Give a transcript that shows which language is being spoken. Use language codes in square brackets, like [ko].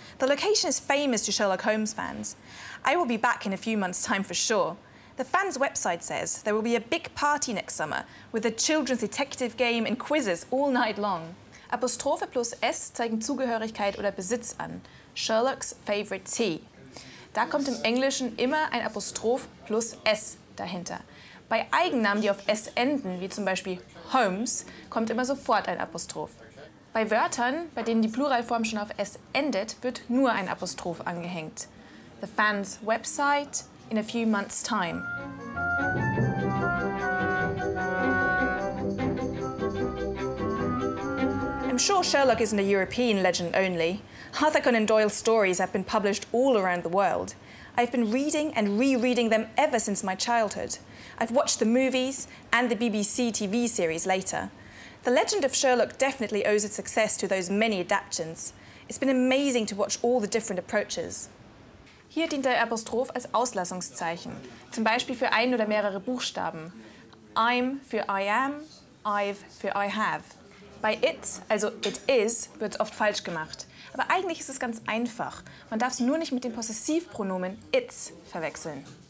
[en] The location is famous to Sherlock Holmes fans. I will be back in a few months' time for sure. The fans' website says there will be a big party next summer with a children's detective game and quizzes all night long. [de] Apostrophe plus S zeigen Zugehörigkeit oder Besitz an. [en] Sherlock's favorite tea. [de] Da kommt im Englischen immer ein Apostroph plus S dahinter. Bei Eigennamen, die auf S enden, wie zum Beispiel Holmes, kommt immer sofort ein Apostroph. Bei Wörtern, bei denen die Pluralform schon auf S endet, wird nur ein Apostroph angehängt. [en] The fans' website in a few months' time. I'm sure Sherlock isn't a European legend only. Arthur Conan Doyle's stories have been published all around the world. I've been reading and rereading them ever since my childhood. I've watched the movies and the BBC TV series later. The legend of Sherlock definitely owes its success to those many adaptions. It's been amazing to watch all the different approaches. [de] Hier dient der Apostroph als Auslassungszeichen, zum Beispiel für ein oder mehrere Buchstaben. I'm für I am, I've für I have. Bei it, also it is, wird es oft falsch gemacht. Aber eigentlich ist es ganz einfach. Man darf es nur nicht mit dem Possessivpronomen it's verwechseln.